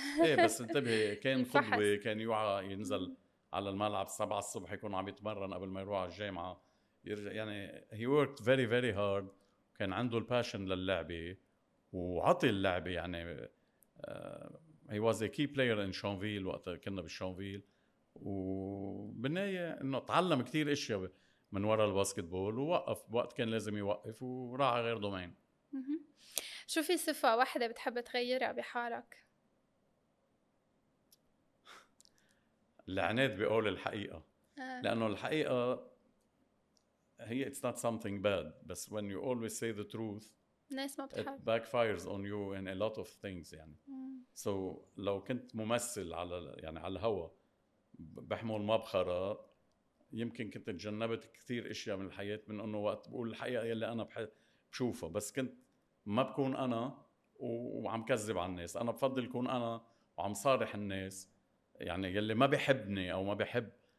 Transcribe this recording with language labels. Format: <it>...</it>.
<ar>إيه بس انتبه كان قدوة، كان يوعى ينزل على الملعب 7 الصبح يكون عم يتمرن قبل ما يروح على الجامعة يرجع، يعني</ar> <en>he worked very very hard،</en> <ar>كان عنده الباشن للعبة وعطي اللعبة، يعني</ar> <en>he was a key player in</en> <ar>شونفيل وقت كنا بالشونفيل، وبالنهاية إنه تعلم كتير أشياء من وراء الباسكتبول ووقف وقت كان لازم يوقف وراح غير دومين. شو في صفة واحدة بتحب تغيرها بحالك؟ العناد بقول الحقيقة. لأنه الحقيقة هي</ar> <en>it's not something bad،</en> <ar>بس</ar> <en>when you always say the truth</en> <ar>الناس ما بتحب</ar> <en>it backfires on you in a lot of things</en> <ar>يعني. So لو كنت ممثل على يعني على الهوى بحمل مبخرة يمكن كنت تجنبت كثير اشياء من الحياة من انه وقت بقول الحقيقة يلي انا بشوفها، بس كنت ما بكون انا وعم كذب على الناس، انا بفضل كون انا وعم صارح الناس، يعني يلي ما بحبني او ما بحب</ar>